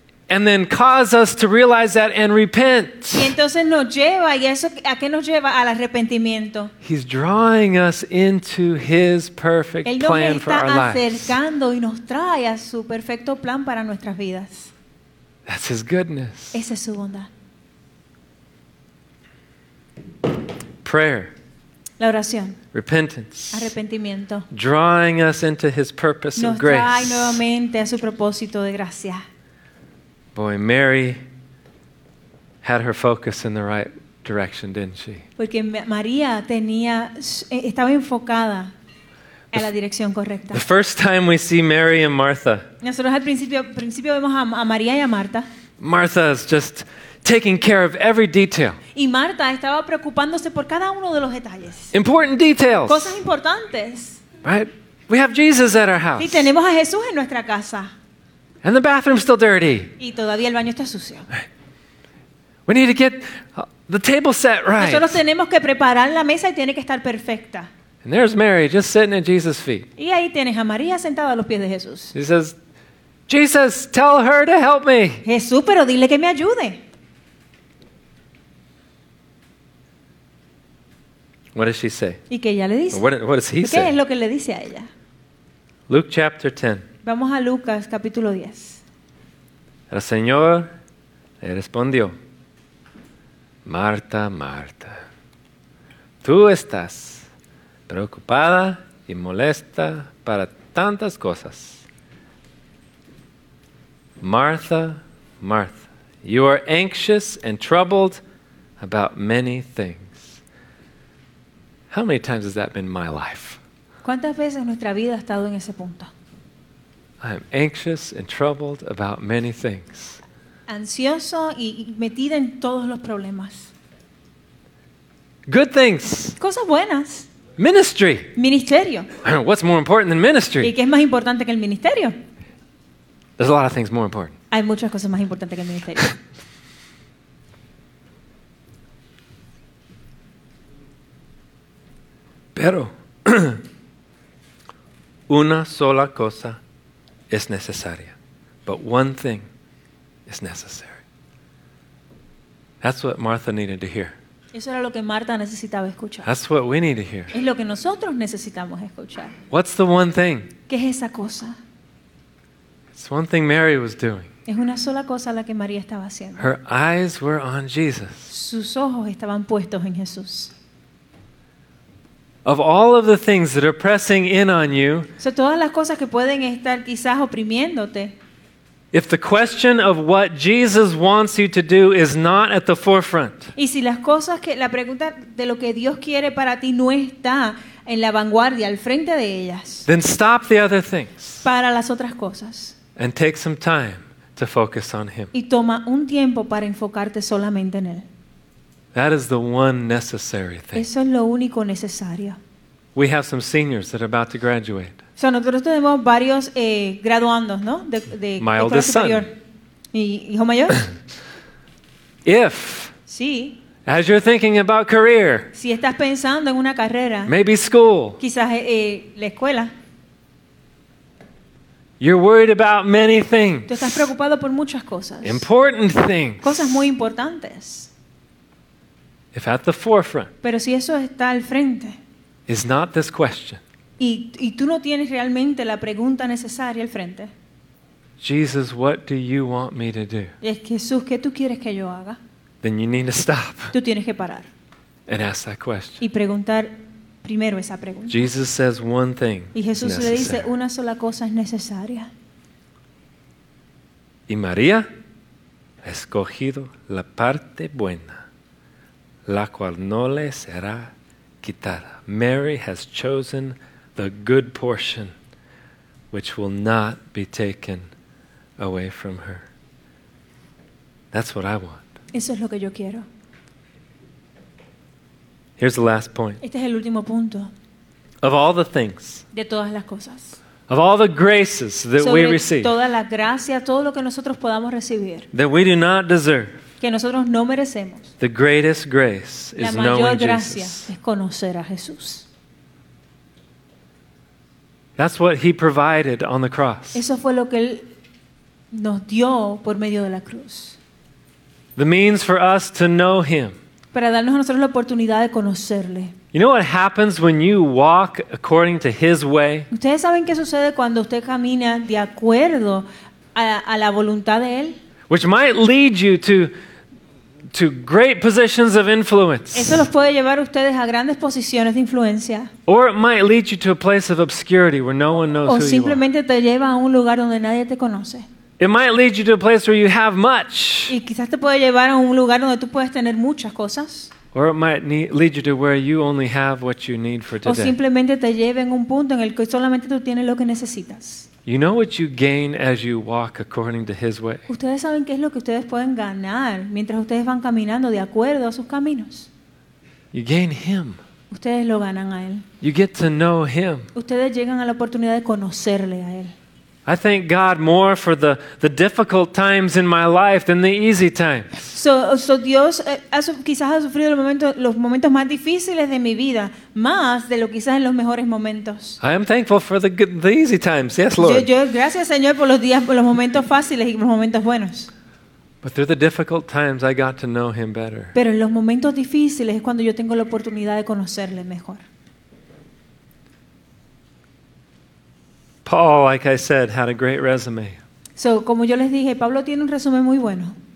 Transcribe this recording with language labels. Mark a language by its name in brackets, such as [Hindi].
[English] And then cause us to realize that and repent. [Spanish] Y entonces nos lleva, y eso, ¿a qué nos lleva? Al arrepentimiento. [English] He's drawing us into His perfect plan for our lives. [Spanish] Él nos está acercando y nos trae a su perfecto plan para nuestras vidas. [English] That's His goodness. [Spanish] Esa es su bondad. [English] Prayer. [Spanish] La oración. [English] Repentance. [Spanish] Arrepentimiento. [English] Drawing us into His purpose of grace. [Spanish] Nos trae nuevamente a su propósito de gracia. [English] Boy, Mary had her focus in the right direction, didn't she? [Spanish] Porque María estaba enfocada en la dirección correcta. [English] The first time we see Mary and Martha. [Spanish] Nosotros al principio vemos a María y a Marta. [English] Martha is just taking care of every detail. [Spanish] Y Marta estaba preocupándose por cada uno de los detalles. [English] Important details. [Spanish] Cosas importantes. [English] Right? We have Jesus at our house. [Spanish] Y tenemos a Jesús en nuestra casa. [English] And the bathroom's still dirty. [Spanish] Y todavía el baño está sucio. [English] We need to get the table set right. [Spanish] Nosotros tenemos que preparar la mesa y tiene que estar perfecta. [English] And there's Mary just sitting at Jesus' feet. [Spanish] Y ahí tienes a María sentada a los pies de Jesús. [English] He says, "Jesus, tell her to help me." [Spanish] Jesús, pero dile que me ayude. [English] What does she say? [Spanish] ¿Y qué ella le dice? [English] What does he [Spanish] ¿Qué [English] say? [Spanish] Es lo que le dice a ella? [English] Luke chapter 10. [Spanish] Vamos a Lucas capítulo 10. El Señor le respondió, Marta, Marta, tú estás preocupada y molesta para tantas cosas. [English] Martha, Martha, you are anxious and troubled about many things. How many times has that been my life? [Spanish] ¿Cuántas veces nuestra vida ha estado en ese punto? [English] I am anxious and troubled about many things. [Spanish] Ansioso y metida en todos los problemas. [English] Good things. [Spanish] Cosas buenas. [English] Ministry. [Spanish] Ministerio. [English] What's more important than ministry? [Spanish] ¿Y qué es más importante que el ministerio? [English] There's a lot of things more important. [Spanish] Hay muchas cosas más importantes que el ministerio. Pero una sola cosa es necesaria. [English] But one thing is necessary. That's what Martha needed to hear. [Spanish] Eso era lo que Marta necesitaba escuchar. [English] That's what we need to hear. [Spanish] Es lo que nosotros necesitamos escuchar. [English] What's the one thing? [Spanish] ¿Qué es esa cosa? [English] It's one thing Mary was doing. [Spanish] Es una sola cosa la que María estaba haciendo. [English] Her eyes were on Jesus. [Spanish] Sus ojos estaban puestos en Jesús. [English] Of all of the things that are pressing in on you, [Spanish] so todas las cosas que pueden estar quizás oprimiéndote, [English] If the question of what Jesus wants you to do is not at the forefront. [Spanish] Y si las cosas que la pregunta de lo que Dios quiere para ti no está en la vanguardia, al frente de ellas. [English] Then stop the other things. [Spanish] Para las otras cosas. [English] And take some time to focus on him. [Spanish] Y toma un tiempo para enfocarte solamente en él. [English] That is the one necessary thing. [Spanish] Eso es lo único necesario. [English] We have some seniors that are about to graduate. [Spanish] So nosotros tenemos varios graduandos, ¿no? De [English] my oldest son. [Spanish] ¿Y hijo mayor? [English] If [Spanish] sí. [English] As you're thinking about career. [Spanish] Si estás pensando en una carrera. [English] Maybe school. [Spanish] Quizás la escuela. [English] You're worried about many things. [Spanish] Tú estás preocupado por muchas cosas. [English] Important things. [Spanish] Cosas muy importantes. [English] If at the forefront. [Spanish] Pero si eso está al frente. [English] Is not this question. [Spanish] Y tú no tienes realmente la pregunta necesaria al frente. [English] Jesus, what do you want me to do? [Spanish] Es Jesús, ¿qué tú quieres que yo haga? [English] Then you need to stop. [Spanish] Tú tienes que parar. [English] And ask that question. [Spanish] Y preguntar primero esa pregunta. [English] Jesus says one thing. [Spanish] Y Jesús le dice una sola cosa es necesaria. Y María ha escogido la parte buena, la cual no le será quitada. [English] Mary has chosen the good portion, which will not be taken away from her. That's what I want. [Spanish] Eso es lo que yo quiero. [English] Here's the last point. [Spanish] Este es el último punto. [English] Of all the things. [Spanish] De todas las cosas. [English] Of all the graces that [Spanish] sobre [English] we receive. [Spanish] Toda la gracia, todo lo que nosotros podamos recibir. [English] That we do not deserve. [Spanish] Que nosotros no merecemos. [English] The greatest grace [Spanish] la [English] is knowing Jesus. [Spanish] La mayor gracia es conocer a Jesús. [English] That's what he provided on the cross. [Spanish] Eso fue lo que él nos dio por medio de la cruz. [English] The means for us to know him. [Spanish] Para darnos a nosotros la oportunidad de conocerle. [English] You know what happens when you walk according to his way? [Spanish] ¿Ustedes saben qué sucede cuando usted camina de acuerdo a la voluntad de él? [English] Which might lead you to great positions of influence. [Spanish] Eso los puede llevar a ustedes a grandes posiciones de influencia. [English] Or it might lead you to a place of obscurity where no one knows who you are. [Spanish] O simplemente te lleva a un lugar donde nadie te conoce. [English] It might lead you to a place where you have much. [Spanish] Y quizás te puede llevar a un lugar donde tú puedes tener muchas cosas. [English] Or it might lead you to where you only have what you need for today. [Spanish] O simplemente te lleva en un punto en el que solamente tú tienes lo que necesitas. [English] You know what you gain as you walk according to his way. [Spanish] Ustedes saben qué es lo que ustedes pueden ganar mientras ustedes van caminando de acuerdo a sus caminos. [English] You gain him. [Spanish] Ustedes lo ganan a él. [English] You get to know him. [Spanish] Ustedes llegan a la oportunidad de conocerle a él. [English] I thank God more for the difficult times in my life than the easy times. [Spanish] So Dios quizás ha sufrido los momentos más difíciles de mi vida más de lo quizás en los mejores momentos. [English] I am thankful for the easy times. Yes, Lord. [Spanish] Yo gracias Señor por los días por los momentos fáciles y los momentos buenos. [English] But through the difficult times I got to know him better. [Spanish] Pero en los momentos difíciles es cuando yo tengo la oportunidad de conocerle mejor. [English] Paul, like I said, had a great resume. [Spanish] So, como yo les dije, Pablo tiene un resumen muy bueno.